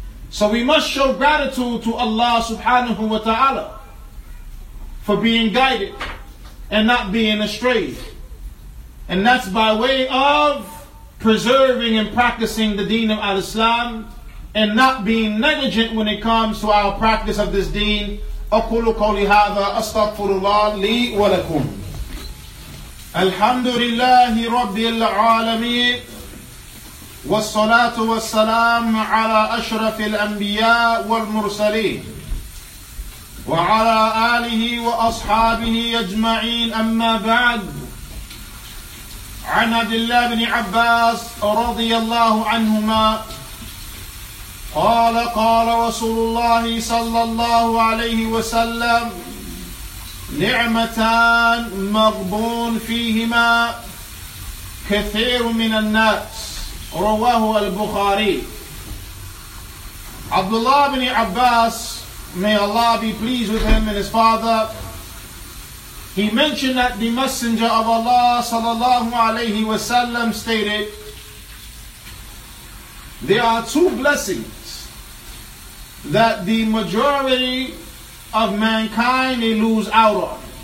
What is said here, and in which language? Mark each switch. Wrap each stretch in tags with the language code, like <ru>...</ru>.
<en>So we must show gratitude to Allah subhanahu wa ta'ala for being guided and not being astray. And that's by way of preserving and practicing the deen of al-Islam and not being negligent when it comes to our practice of this deen.</en> <ar>أَقُولُ قَوْلِ هَذَا أَسْتَغْفُرُ اللَّهَ لِي وَلَكُمْ. الحمد لله رب العالمين والصلاة والسلام على أشرف الأنبياء والمرسلين وعلى آله وأصحابه أجمعين. أما بعد، عن عبد الله بن عباس رضي الله عنهما قال قال رسول الله صلى الله عليه وسلم نعمتان مغبون فيهما كثير من الناس رواه البخاري.</ar> <en>Abdullah ibn Abbas, may Allah be pleased with him and his father, he mentioned that the Messenger of Allah sallallahu alayhi wa sallam stated, there are two blessings that the majority of mankind they lose out on.</en>